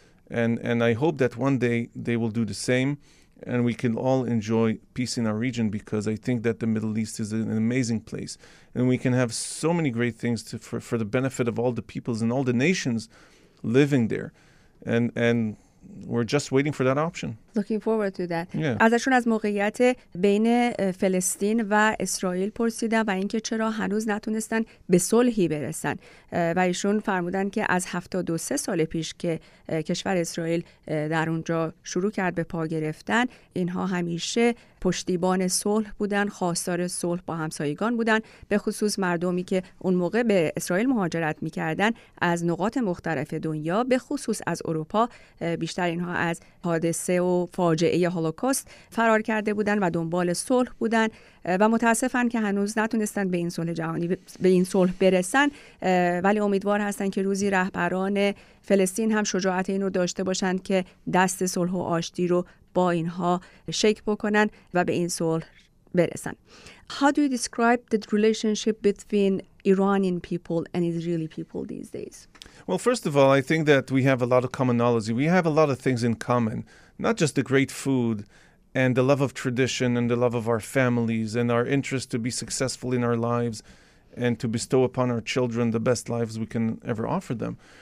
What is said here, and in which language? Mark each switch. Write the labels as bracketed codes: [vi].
[en] And I hope that one day they will do the same and we can all enjoy peace in our region, because I think that the Middle East is an amazing place and we can have so many great things for the benefit of all the peoples and all the nations living there. And we're just waiting for that option. Looking forward to that. Yeah. [fa] ازشون از موقعیت بین فلسطین و اسرائیل پرسیدم و اینکه چرا هنوز نتونستن به صلحی برسن. و ایشون فرمودن که از 73 سال پیش که کشور اسرائیل در اونجا شروع کرد به پا گرفتن، اینها همیشه پشتیبان صلح بودن، خواستار صلح با همسایگان بودن، به خصوص مردمی که اون موقع به اسرائیل مهاجرت می‌کردن از نقاط مختلف دنیا، به خصوص از اروپا، بیشتر اینها از حادثه و فاجعه هولوکاست فرار کرده بودن و دنبال صلح بودن و متاسفن که هنوز نتونستن به این صلح جهانی به این صلح برسن، ولی امیدوار هستن که روزی رهبران فلسطین هم شجاعت اینو داشته باشن که دست صلح و آشتی رو با اینها شیک بکنن و به این صلح برسن. [en] How do you describe the relationship between Iranian people and Israeli people these days? Well, first of all, I think that we have a lot of commonality. We have a lot of things in common, not just the great food and the love of tradition and the love of our families and our interest to be successful in our lives and to bestow upon our children the best lives we can ever offer them.